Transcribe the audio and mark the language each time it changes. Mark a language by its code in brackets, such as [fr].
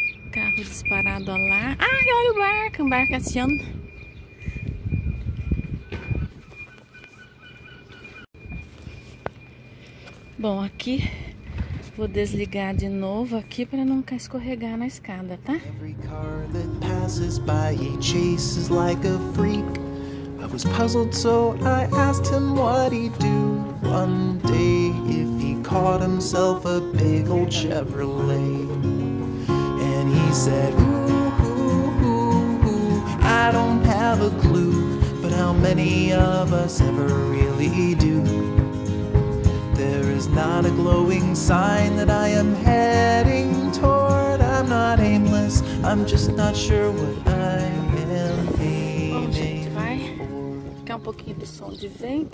[pt] Carro disparado lá. Ai, olha o barco. Um barco acionando. Bom, aqui vou desligar de novo aqui para nunca escorregar na escada, tá? [en] Passes by, he chases like a freak. I was puzzled, so I asked him what he'd do one day if he caught himself a big old Chevrolet. And he said, ooh, ooh, ooh, ooh, I don't have a clue, but how many of us ever really do? There is not a glowing sign that I am heading toward. I'm not aimless. I'm just not sure what I am. [pt] Bom, gente, vai ficar um pouquinho do som de vento.